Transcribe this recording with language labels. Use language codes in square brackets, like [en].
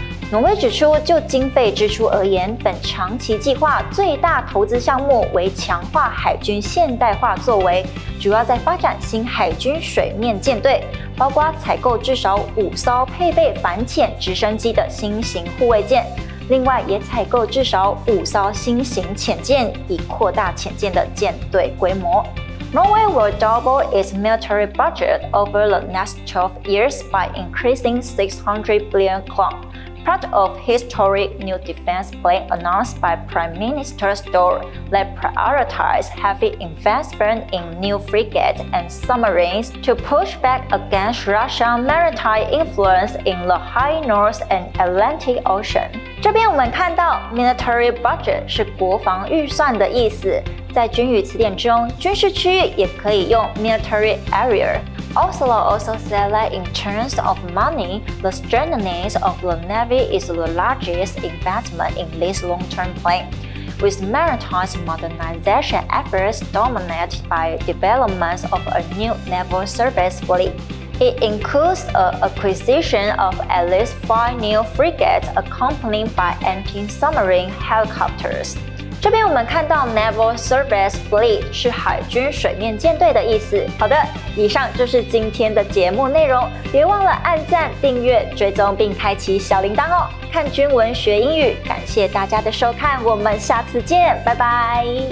[zh] 挪威指出，就经费支出而言，本长期计划最大投资项目为强化海军现代化作为，主要在发展新海军水面舰队，包括采购至少5艘配备反潜直升机的新型护卫舰，另外也采购至少5艘新型潜舰，以扩大潜舰的舰队规模。 [en] Norway will double its military budget over the next 12 years by increasing 600 billion kron, part of historic new defense plan announced by Prime Minister Stor that prioritized heavy investment in new frigates and submarines to push back against Russian maritime influence in the High North and Atlantic Ocean. [zh] 这边我们看到 [en] military budget [zh] 是国防预算的意思，在军语词典中，军事区域也可以用 [en] military area。 Oslo also said that in terms of money, the strengthening of the Navy is the largest investment in this long-term plan, with maritime modernization efforts dominated by development of a new naval service fleetIt includes an acquisition of at least 5 new frigates accompanied by anti-submarine helicopters. [zh] 这边我们看到 [en] Naval Surface Fleet [zh] 是海军水面舰队的意思。好的，以上就是今天的节目内容。别忘了按赞、订阅、追踪并开启小铃铛哦。看军文学英语，感谢大家的收看，我们下次见，拜拜。